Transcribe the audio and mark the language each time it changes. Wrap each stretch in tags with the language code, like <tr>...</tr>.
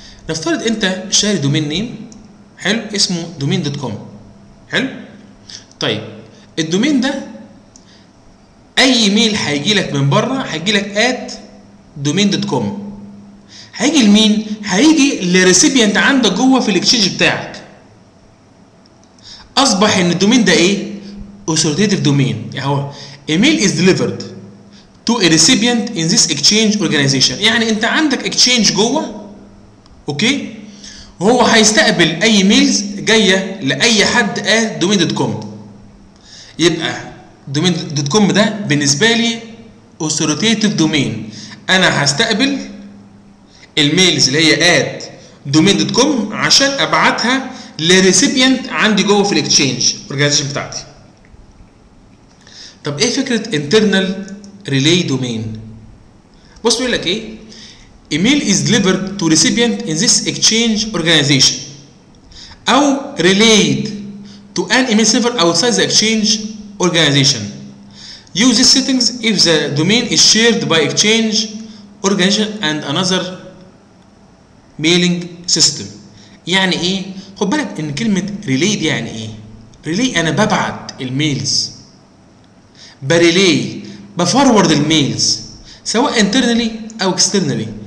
<ar>نفترض انت شاري دومين نيم حلو اسمه domain.com حلو. طيب الدومين ده اي ميل هيجي لك من بره هيجي لك @domain.com هيجي لمين؟ هيجي للريسيبيانت عندك جوه في الاكشنج بتاعك. اصبح ان الدومين ده ايه؟</ar> <en>authoritative domain،</en> <ar>يعني هو</ar> <en>email is delivered to a recipient in this exchange organization. يعني انت عندك exchange جوه اوكي، وهو هيستقبل اي ميلز جايه لاي حد @domain.com. يبقى domain.com ده بالنسبه لي authoritative domain، انا هستقبل الميلز اللي هي @domain.com عشان ابعتها للريسيبيانت عندي جوه في الاكشنج اورجانيزيشن بتاعتي.</en> <ar>طب ايه فكره</ar> <en>internal relay domain؟</en> <ar>بص بيقول لك ايه،</ar> <en>email is delivered to recipient in this exchange organization او relayed to an email server outside the exchange organization. Use these settings if the domain is shared by exchange organization and another mailing system.</en> <ar>يعني ايه؟ خد بالك ان كلمة relayed يعني ايه؟ relay انا ببعت الميلز، برلي بفورورد الميلز سواء internally او externally.</ar>